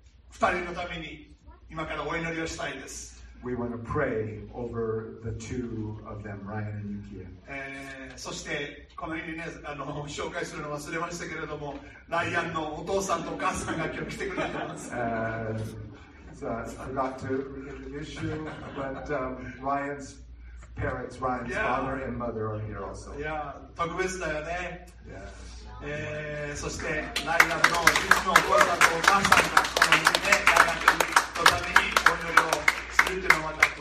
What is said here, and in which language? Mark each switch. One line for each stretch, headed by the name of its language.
Japanese: 二人のために今からお祈りをしたいです。
English: We want to pray over the two of them, Ryan and Yukia.
Japanese: そしてこの日にね、紹介するの忘れましたけれども、ライアンのお父さんとお母さんが今日来てくれてます。
English: So I forgot to introduce you, but Ryan's parents, Ryan's father and mother are here also. Yeah,
Japanese: 特別だよね。
English: Yeah.
Japanese: そしてライアンのいつもお父さんとお母さんがこの日にね、ライアンのためにお祈りを。